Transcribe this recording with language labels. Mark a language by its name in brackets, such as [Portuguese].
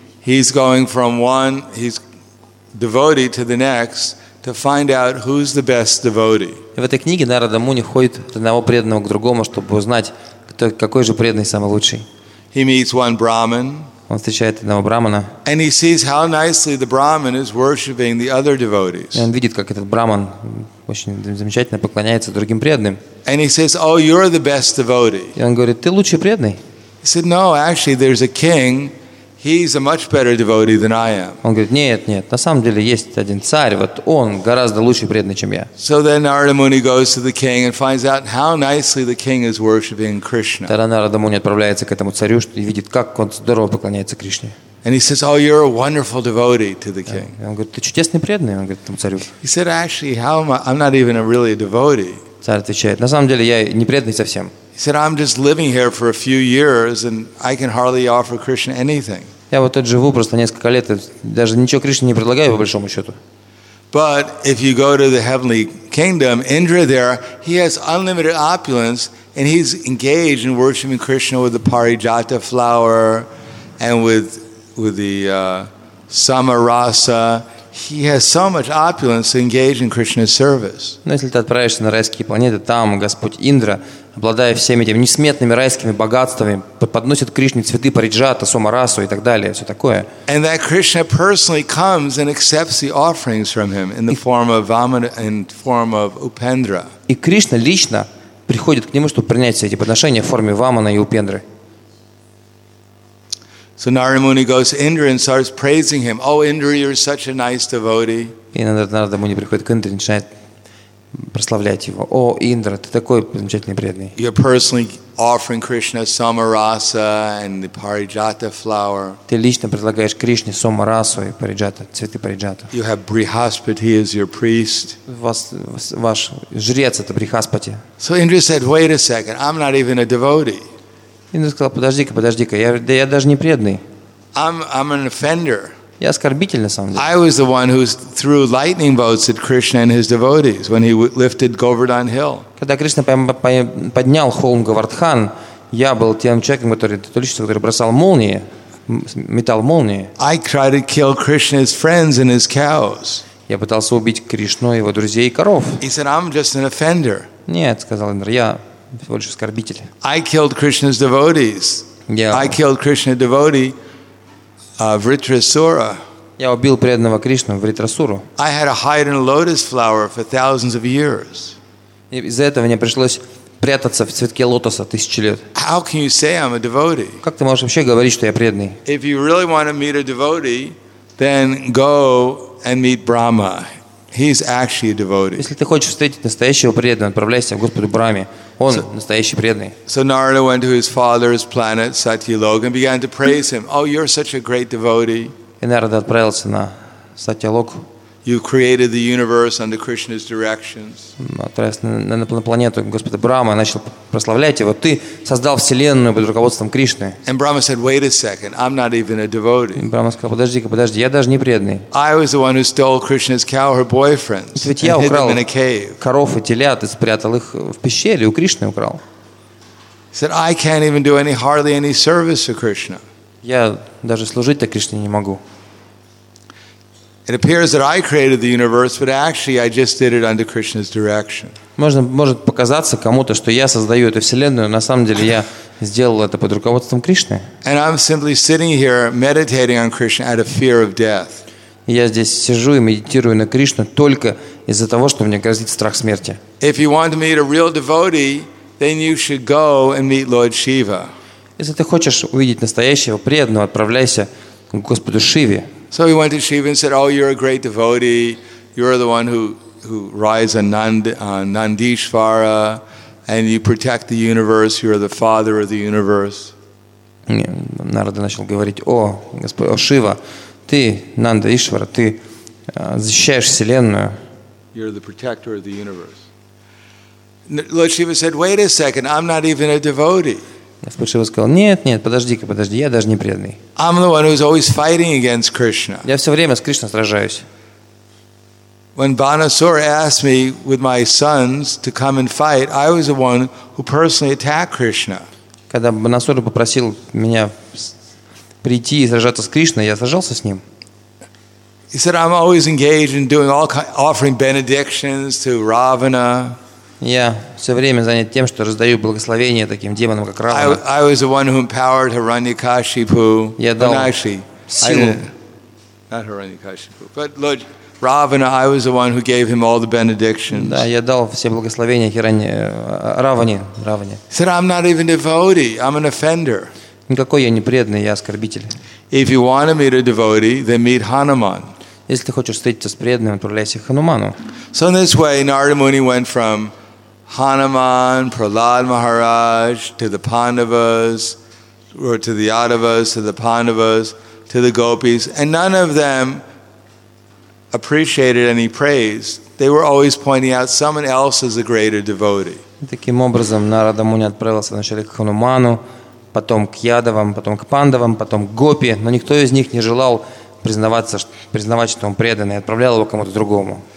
[English] He's going from one, he's devotee to the next to find out who's the best devotee. [Russian] В этой книге Нарада Муни ходит от одного преданного к другому, чтобы узнать, кто какой же преданный самый лучший. [English] He meets one Brahmin. [Russian] Он встречает одного брахмана. [English] And he sees how nicely the Brahmin is worshiping the other devotees. [Russian] И он видит, как этот брахман очень замечательно поклоняется другим преданным. [English] And he says, "Oh, you're the best devotee." [Russian] И он говорит, ты лучший преданный. [English] He said, "No, actually, there's a king. He's a much better devotee than I am." [Russian] Он говорит, нет, нет, на самом деле есть один царь, вот он гораздо лучший преданный, чем я. [English] So then Narada Muni goes to the king and finds out how nicely the king is worshiping Krishna. [Russian] Тогда Нарада Муни отправляется к этому царю и видит, как он здорово поклоняется Кришне. [English] And he says, "Oh, you're a wonderful devotee to the king." [Russian] Он говорит, ты чудесный преданный, он говорит этому царю. [English] He said, "Actually, how am I? I'm not even a really devotee." [Russian] Царь отвечает, на самом деле я не преданный совсем. [English] He said, "I'm just living here for a few years, and I can hardly offer Krishna anything." [Russian] Я вот тут живу просто несколько лет, даже ничего Кришне не предлагаю по большому счету. [English] But if you go to the heavenly kingdom, Indra there, he has unlimited opulence, and he's engaged in worshiping Krishna with the parijata flower, and with the samarasa. He has so much opulence to engage in Krishna's service. [Russian] Но если ты отправишься на райские планеты, там Господь Индра, обладая всеми этими несметными райскими богатствами, подносит Кришне цветы париджата, сомарасу и так далее, все такое. [English] And that Krishna personally comes and accepts the offerings from him in the form of Vamana, in form of Upendra. [Russian] И Кришна лично приходит к нему, чтобы принять все эти подношения в форме Вамана и Упендры. [English] So Narada Muni goes to Indra and starts praising him. Oh, Indra, you're such a nice devotee. [Russian] И Нарада Муни приходит к Индре и начинает прославлять его. О, Индра, ты такой замечательный преданный. [English] You're personally offering Krishna samarasa and the parijata flower. [Russian] Ты лично предлагаешь Кришне самарасу и париджата, цветы париджата. [English] You have Brihaspati as your priest. [Russian] Ваш жрец это Брихаспати. [English] So Indra said, "Wait a second, I'm not even a devotee." [Russian] Индра сказал, подожди-ка, подожди-ка, я даже не преданный. [English] I'm an offender. [Russian] Я оскорбитель, на самом деле. [English] I was the one who threw lightning bolts at Krishna and his devotees when he lifted Govardhan Hill. [Russian] Когда Кришна поднял холм Говардхан, я был тем человеком, который бросал молнии, метал молнии. [English] I tried to kill Krishna's friends and his cows. [Russian] Я пытался убить Кришну, его друзей и коров. [English] He said, "I'm just an offender." [Russian] Нет, сказал Индра, я всего лишь оскорбитель. [English] I killed Krishna's devotees. I killed Krishna's devotee. Vritrasura. [Russian] Я убил преданного Кришну Вритрасуру. [English] I had to hide in a lotus flower for thousands of years. [Russian] Из-за этого мне пришлось прятаться в цветке лотоса тысячи лет. [English] How can you say I'm a devotee? [Russian] Как ты можешь вообще говорить, что я преданный? [English] If you really want to meet a devotee, then go and meet Brahma. He's actually a devotee. [Russian] Если ты хочешь встретить настоящего преданного, отправляйся к Господу Брахме. Он настоящий преданный. [English] So Narada went to his father's planet, Satyaloka, and began to praise him. Oh, you're such a great devotee. [Russian] И Нарада отправился на Сатьялоку. [English] You created the universe under Krishna's directions. [Russian] Отправился на планету Господа Брахма, начал прославлять его. Ты создал вселенную под руководством Кришны. [English] And Brahma said, "Wait a second, I'm not even a devotee." [Russian] Брахма сказал, подожди-ка, подожди, я даже не преданный. [English] I was the one who stole Krishna's cow, her boyfriend. [Russian] Ведь я украл коров и телят и спрятал их в пещере у Кришны украл. [English] Said, "I can't even do hardly any service to Krishna." [Russian] Я даже служить-то Кришне не могу. [English] It appears that I created the universe, but actually I just did it under Krishna's direction. [Russian] Может показаться кому-то, что я создаю эту вселенную, на самом деле я сделал это под руководством Кришны. [English] And I'm simply sitting here meditating on Krishna out of fear of death. [Russian] Я здесь сижу и медитирую на Кришну только из-за того, что мне грозит страх смерти. [English] If you want to meet a real devotee, then you should go and meet Lord Shiva. [Russian] Если ты хочешь увидеть настоящего преданного, отправляйся к Господу Шиве. [English] So he went to Shiva and said, "Oh, you're a great devotee. You're the one who rides on Nandishvara, and you protect the universe. You're the father of the universe." [Russian] Нарада начал говорить: "О, Господь, о Шива, ты Нандишвара, ты защищаешь вселенную." [English] You're the protector of the universe. Lord Shiva said, "Wait a second. I'm not even a devotee." [Russian] Господь Шива сказал: нет, подожди, я даже не преданный. [English] I'm the one who's always fighting against Krishna. [Russian] Я все время с Кришной сражаюсь. [English] When Banasura asked me with my sons to come and fight, I was the one who personally attacked Krishna. [Russian] Когда Банасура попросил меня прийти и сражаться с Кришной, я сражался с ним. [English] He said, I'm always engaged in doing all offering benedictions to Ravana. [Russian] Я все время занят тем, что раздаю благословения таким демонам, как Равана. [English] I was the one who empowered Hiranyakashipu. [Russian] Я дал силу. [English] Not Hiranyakashipu, but Lord Ravana. I was the one who gave him all the benedictions. [Russian] Да, я дал все благословения Равани. [English] Said I'm not even a devotee. I'm an offender. [Russian] Никакой я не преданный, я оскорбитель. [English] If you want to meet a devotee, then meet Hanuman. [Russian] Если ты хочешь встретиться с преданным, отправляйся к Хануману. [English] So in this way, Narada Muni went from Hanuman, Prahlad Maharaj, to the Pandavas, or to the Yadavas, to the Pandavas, to the Gopis, and none of them appreciated any praise. They were always pointing out someone else as a greater devotee. [Russian] Таким образом, Нарада Муни отправился вначале к Хануману, потом к Ядавам, потом к Пандавам, потом к Гопи, но никто из них не желал признавать, что он преданный, отправлял его кому-то другому.